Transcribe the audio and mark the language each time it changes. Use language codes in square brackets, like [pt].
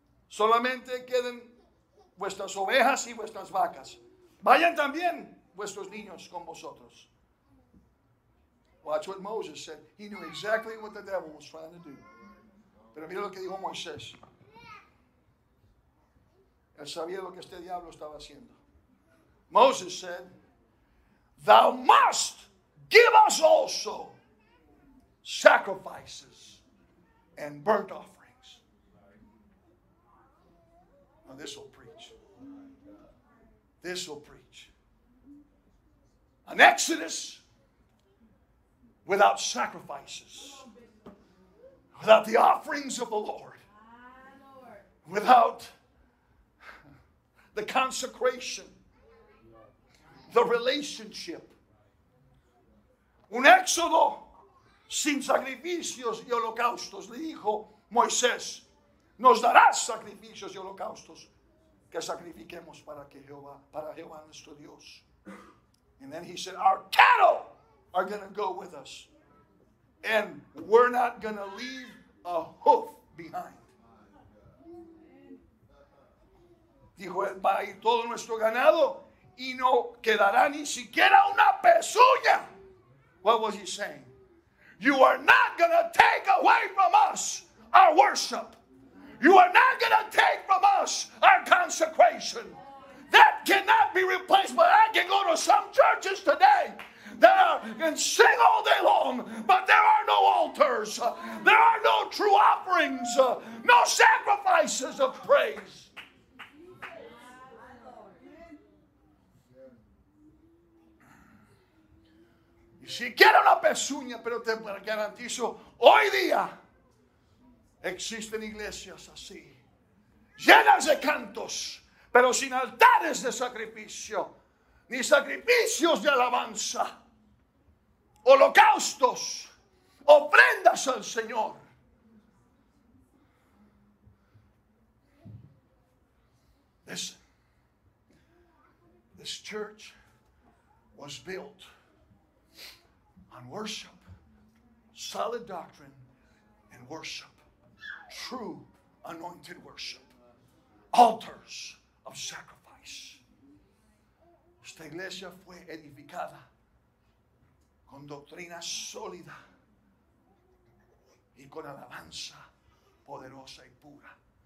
[es] Solamente queden vuestras ovejas y vuestras vacas. Vayan también vuestros niños con vosotros. [en] Watch what Moses said. He knew exactly what the devil was trying to do. [es] Pero mira lo que dijo Moisés. Él sabía lo que este diablo estaba haciendo. [en] Moses said, thou must give us also sacrifices and burnt offerings. Now this will preach. This will preach. An exodus without sacrifices, without the offerings of the Lord, without the consecration, the relationship. [es] Un éxodo sin sacrificios y holocaustos, le dijo Moisés, nos darás sacrificios y holocaustos que sacrifiquemos para Jehová nuestro Dios. [en] And then he said, our cattle are going to go with us. And we're not going to leave a hoof behind. [es] Dijo, va a ir todo nuestro ganado y no quedará ni siquiera una pezuña. [en] What was he saying? You are not going to take away from us our worship. You are not going to take from us our consecration. That cannot be replaced, but I can go to some churches today that can sing all day long, but there are no altars. There are no true offerings, no sacrifices of praise. [es] Y si quiero una pezuña, pero te garantizo, hoy día existen iglesias así, llenas de cantos, pero sin altares de sacrificio, ni sacrificios de alabanza, holocaustos, ofrendas al Señor. [en] Listen, this church was built on worship, solid doctrine, and worship, true anointed worship, altars of sacrifice. [es] Esta iglesia fue edificada con doctrina sólida y con alabanza poderosa y pura.